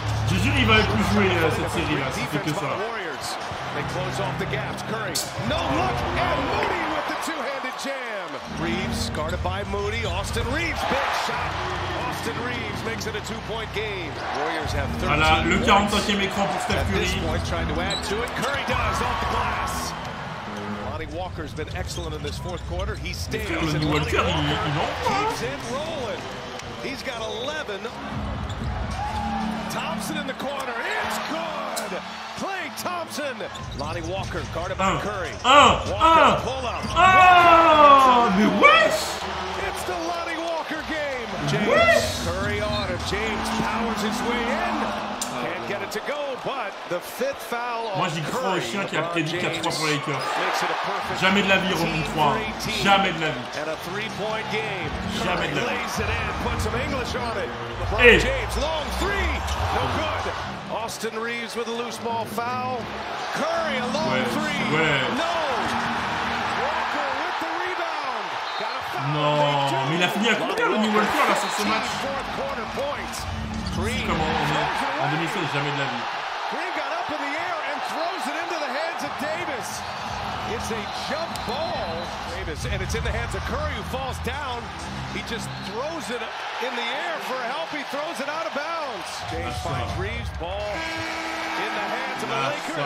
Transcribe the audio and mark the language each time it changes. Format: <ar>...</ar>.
<fr>Je jure, il va plus jouer cette série là, si c'est que ça.</fr> <en>They close off the gaps. Curry, no look, and Moody with the two-handed jam. Reeves guarded by Moody. Austin Reeves, big shot. Austin Reeves makes it a two-point game. Warriors have 13</en> <fr>points. Voilà, le 45e écran pour Steph Curry.</fr> <en>At this point, trying to add to it. Curry does off the glass. Lonnie Walker's been excellent in this fourth quarter. He stays.</en> <fr>Le Lonnie Walker, il en</fr> <en>keeps it rolling. He's got 11. Thompson in the corner. It's good. Klay Thompson. Lonnie Walker guarded by Curry. Walker, pull up.</en> <fr>Mais wesh.</fr> <en>It's the Lonnie Walker game. James. Wesh. Curry on it. James powers his way in. Can't get it to go, but the fifth foul.</en> <fr>Moi, j'y crois au chien qui a prédit 4 points pour les Lakers. Jamais de la vie, Romain 3. Jamais de la vie.</fr> <en>And a three-point game.</en> <fr>Jamais de la vie.</fr> <en>Lays it in, put some English on it. LeBron James, long three. No good. Austin Reeves with a loose ball foul. Curry, a long three.</en> <fr>Ouais.</fr> <en>No. Walker with the rebound.</en> <fr>Non, mais il a fini à combien le New Walker là sur ce match? Comment on est en demi-finale, jamais de la vie.</fr> <en>Green got up in the air and throws it into the hands of Davis. It's a jump ball, Davis, and it's in the hands of Curry, who falls down. He just throws it in the air for help. He throws it out of bounds. James finds Reeves, ball in the hands of the Lakers.</en>